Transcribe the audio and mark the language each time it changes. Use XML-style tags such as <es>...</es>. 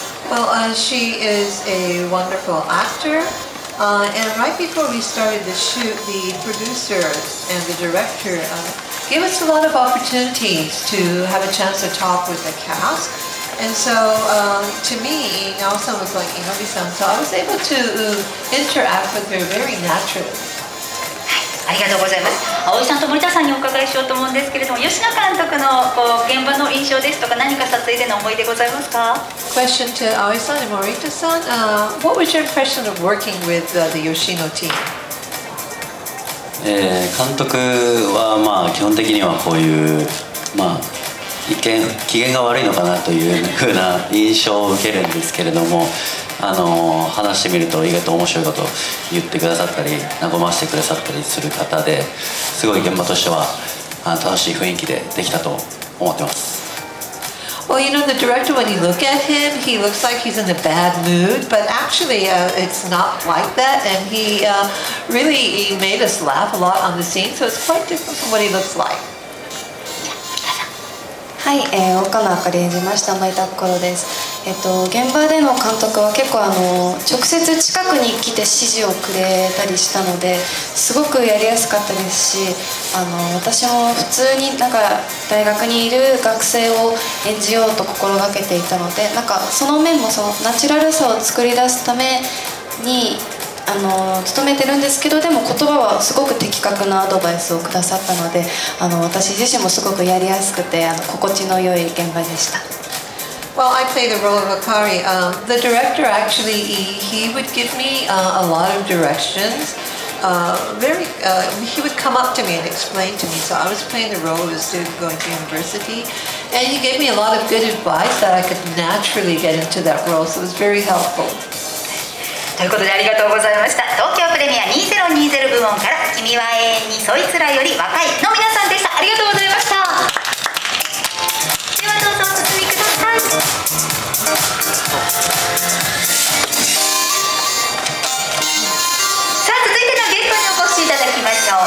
<en>Well, she is a wonderful actor, and right before we started the shoot, the producer and the director gave us a lot of opportunities to have a chance to talk with the cast. And so, to me, Nao-san was like Inobi-san, so I was able to interact with her very naturally.</en> <ja>ありがとうございます。青井さんと森田さんにお伺いしようと思うんですけれども、吉野監督のこう現場の印象ですとか、何か撮影での思い出ございますか。</ja> <en>Question to 青井さんと森田さん、What was your impression of working with the Yoshino team?</en> <ja>監督はまあ基本的にはこういう、まあ、一見機嫌が悪いのかなというふうな印象を受けるんですけれども、あの話してみると意外と面白いことを言ってくださったり和ませてくださったりする方で、すごい現場としては楽しい雰囲気でできたと思ってます。</ja> <en>Well, you know, the director, when you look at him, he looks like he's in a bad mood, but actually, it's not like that, and he really made us laugh a lot on the scene, so it's quite different from what he looks like.</en> <ja>はい、岡野あかり演じました森田心です。現場での監督は結構あの直接近くに来て指示をくれたりしたので、すごくやりやすかったですし、あの私も普通になんか大学にいる学生を演じようと心がけていたので、なんかその面もそのナチュラルさを作り出すためにあの努めてるんですけど、でも言葉はすごく的確なアドバイスをくださったので、あの私自身もすごくやりやすくて、あの心地の良い現場でした。</ja> <en>Well, I play the role of Akari. The director actually, he would give me a lot of directions. he would come up to me and explain to me. So I was playing the role of a student going to university, and he gave me a lot of good advice that I could naturally get into that role. So it was very helpful.</en> <ja>ということでありがとうございました。東京プレミア2020部門から君は永遠にそいつらより若いの皆さんでした。ありがとうございました。ではどうぞお進みください。さあ続いてのゲストにお越しいただきましょう。</ja>